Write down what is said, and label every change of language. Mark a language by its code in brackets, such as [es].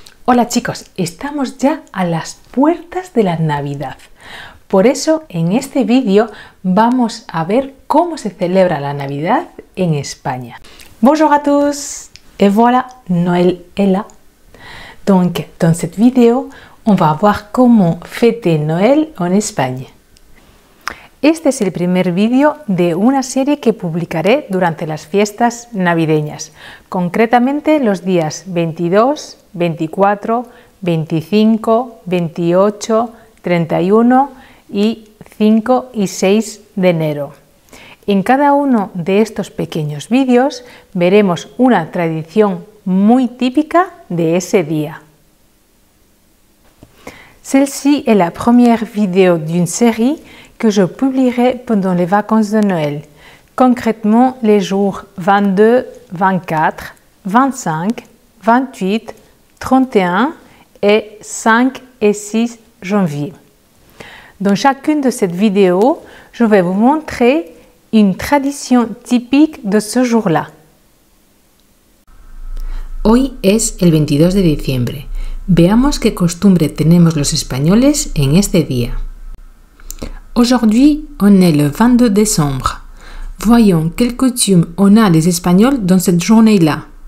[es] Hola chicos, estamos ya a las puertas de la Navidad. Por eso en este vídeo vamos a ver cómo se celebra la Navidad en España. [fr] Bonjour à tous et voilà, Noël est là. Donc, dans cette vidéo, on va voir comment fêter Noël en Espagne. [es] Este es el primer vídeo de una serie que publicaré durante las fiestas navideñas, concretamente los días 22, 24, 25, 28, 31 y 5 y 6 de enero. En cada uno de estos pequeños vídeos veremos una tradición muy típica de ese día. [fr] Celle-ci est la première vidéo d'une série que je publierai pendant les vacances de Noël, concrètement les jours 22, 24, 25, 28, 31 et 5 et 6 janvier. Dans chacune de ces vidéos, je vais vous montrer une tradition typique de ce jour-là. [es] Hoy es el 22 de diciembre. Veamos qué costumbre tenemos los españoles en este día. [fr] Aujourd'hui, on est le 22 décembre. Voyons quel coutume on a les Espagnols dans cette journée-là.